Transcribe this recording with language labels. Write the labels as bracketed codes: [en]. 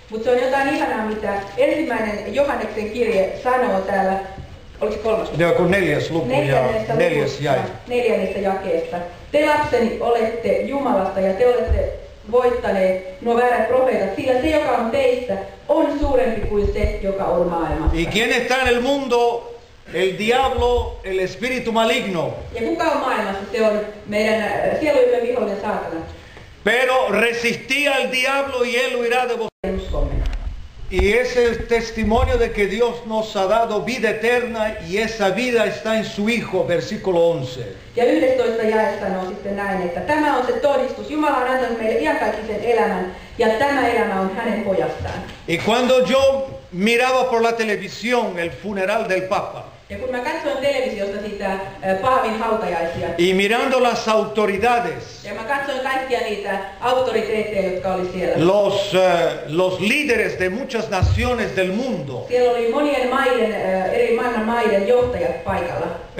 [fi] Mutta se on jotain ihanaa, mitä ensimmäinen Johanneksen kirje sanoo täällä, oliko kolmas? Neljäs luku ja neljäs jäi. Neljännestä jakeesta. Te lapseni olette Jumalasta ja te olette voittaneet nuo väärät profeetat, sillä se, joka on teistä, on suurempi kuin se, joka on maailmassa. [es] Y quien está en el mundo, el diablo, el espíritu maligno. [fi] Ja kuka on maailmassa? Se on meidän sieluimme vihollinen saatana. [es] Pero resistí al diablo y él huirá de vosotros. Y es el testimonio de que Dios nos ha dado vida eterna y esa vida está en su Hijo, versículo 11. [fi] Ja 11. jaessa sanoo sitten näin, että tämä on se todistus. Jumala on antanut meille iankaikkisen elämän ja tämä elämä on hänen pojastaan. [es] Y cuando yo miraba por la televisión el funeral del Papa. [fi] Ja kun mä katsoin televisiosta sitä paavin hautajaisia. [es] Y mirando las autoridades. [fi] Ja mä katsoin kaikkia niitä autoriteetteja, jotka oli siellä. [es] Los líderes de muchas naciones del mundo. [fi] Siellä oli monien maiden, eri maailman maiden johtajat paikalla.